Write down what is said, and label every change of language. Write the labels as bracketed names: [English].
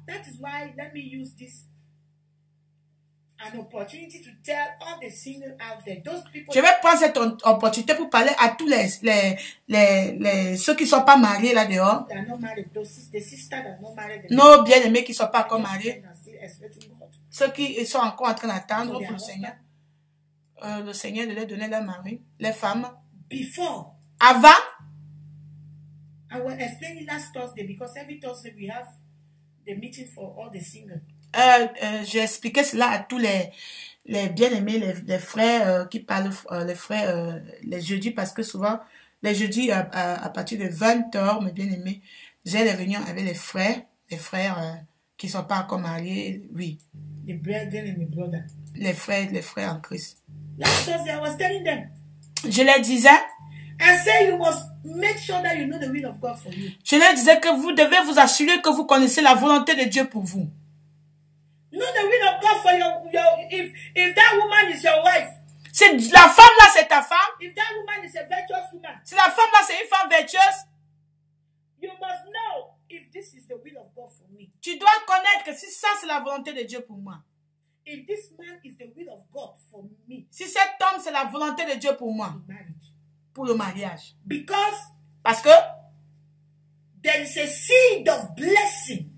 [English] That is why let me use this an opportunity to tell all the single out there, those people. [French] Je vais prendre cette opportunité pour parler à tous les ceux qui sont pas mariés là dehors. [English] They are not married. The sisters are not married. [French] Non, bien aimés qui sont pas encore mariés. Ceux qui sont encore en train d'attendre pour le Seigneur. Le Seigneur leur donnait leur mari, les femmes. [English] Before. [French] Avant. [English] I was explaining last Thursday because every Thursday we have the meeting for all the singles. [French] J'ai expliqué cela à tous les bien-aimés, les frères qui parlent, les frères les jeudis, parce que souvent les jeudis à partir de 20h, mes bien-aimés, j'ai les réunions avec les frères qui sont pas encore mariés, oui. [English] The brethren and the brother. [French] Les frères en Christ. [English] Last Thursday, I was telling them. [French] Je leur disais. [English] I say you must make sure that you know the will of God for you. [French] Je leur disais que vous devez vous assurer que vous connaissez la volonté de Dieu pour vous. [English] Know the will of God for your if that woman is your wife. [French] Si la femme là c'est ta femme. [English] If that woman is a virtuous woman. [French] Si la femme là c'est une femme vertueuse. [English] You must know if this is the will of God for me. [French] Tu dois connaître que si ça c'est la volonté de Dieu pour moi. [English] If this man is the will of God for me. [French] Si cet homme c'est la volonté de Dieu pour moi. Pour le mariage. [English] Because. [French] Parce que. [English] There is a seed of blessing.